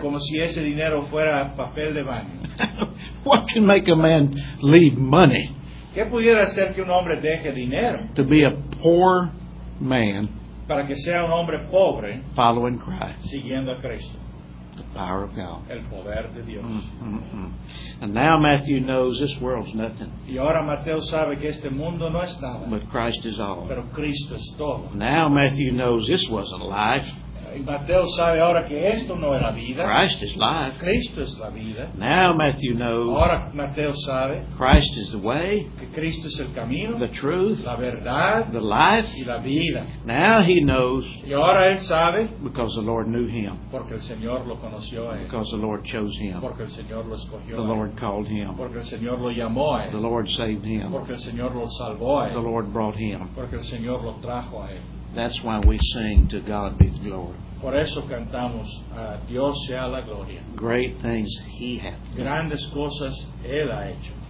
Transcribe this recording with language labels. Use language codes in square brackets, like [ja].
[es] Como si ese dinero fuera papel de baño. [en] What can make a man leave money? [es] ¿Qué pudiera hacer que un hombre deje dinero? [en] To be a poor man. [es] Para que sea un hombre pobre. [en] Following Christ. [es] Siguiendo a Cristo. [en] The power of God. [es] El poder de Dios. [en] And now Matthew knows this world's nothing. [es] Y ahora Mateo sabe que este mundo no es nada. [en] But Christ is all. [es] Pero Cristo es todo. [en] Now Matthew knows this wasn't life. [es] Y Mateo sabe ahora que esto no era vida. [en] Christ is life. [es] Cristo es la vida. [en] Now Matthew knows. [es] Ahora Mateo sabe. [en] Christ is the way. [es] Que Cristo es el camino. [en] The truth. [es] La verdad. [en] The life. [es] Y la vida. [en] Now he knows. [es] Y ahora él sabe. [en] Because the Lord knew him. [es] Porque el Señor lo conoció a él. [en] Because the Lord chose him. [es] Porque el Señor lo escogió. [en] The Lord called him. [es] Porque el Señor lo llamó a él. [en] The Lord saved him. [es] Porque el Señor lo salvó a él. [en] The Lord brought him. [es] Porque el Señor lo trajo a él. [en] That's why we sing to God be the glory. [es] Por eso cantamos a Dios sea la gloria. [en] Great things he hath done. [es] Grandes cosas él ha hecho.